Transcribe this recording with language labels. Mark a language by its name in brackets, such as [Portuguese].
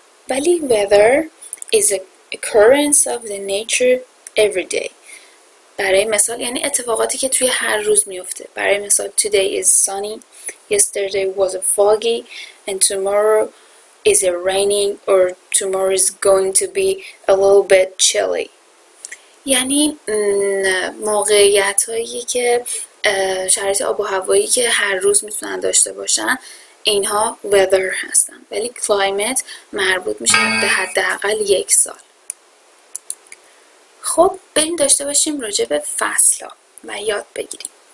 [Persian] ولی [English] weather is a occurrence of the nature every day. [Persian] برای مثال یعنی اتفاقاتی که توی هر روز میفته. برای مثال [English] today is sunny, yesterday was foggy and tomorrow is it raining or tomorrow is going to be a little bit chilly. [Persian] یعنی موقعیت هایی که شرایط آب و هوایی که هر روز میتونن داشته باشن اینها weather هستن، ولی climate مربوط میشه به حداقل یک سال. خب بریم داشته باشیم راجع به فصل ها و یاد بگیریم.